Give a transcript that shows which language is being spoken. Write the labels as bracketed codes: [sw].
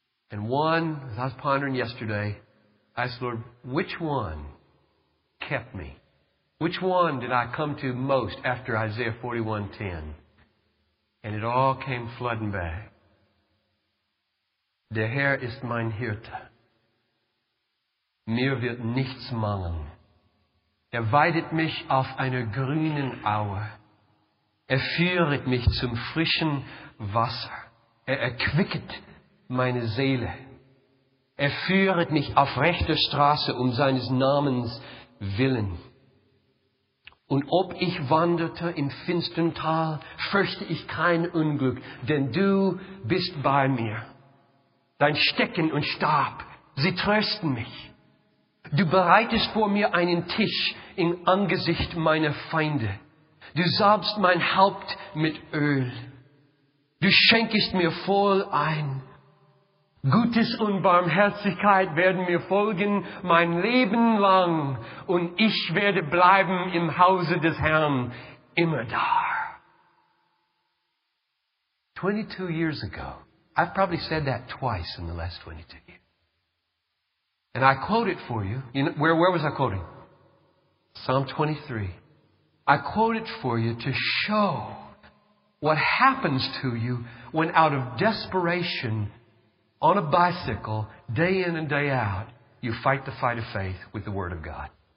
[en] And one, as I was pondering yesterday, I asked the Lord, which one kept me? Which one did I come to most after Isaiah 41:10? And it all came flooding back. [de] Der Herr ist mein Hirte. Mir wird nichts mangeln. Weidet mich auf einer grünen Aue. Führet mich zum frischen Wasser. Erquicket meine Seele. Führet mich auf rechter Straße seines Namens willen. Und ob ich wanderte im finstern Tal, fürchte ich kein Unglück, denn du bist bei mir. Dein Stecken und Stab, sie trösten mich. Du bereitest vor mir einen Tisch im Angesicht meiner Feinde. Du salbst mein Haupt mit Öl. Du schenkest mir voll ein. Gutes und Barmherzigkeit werden mir folgen mein Leben lang. Und ich werde bleiben im Hause des Herrn immer da. [en] 22 years ago, I've probably said that twice in the last 22 years. And I quote it for you. You know, where was I quoting? Psalm 23. I quote it for you to show what happens to you when out of desperation, on a bicycle, day in and day out, you fight the fight of faith with the Word of God.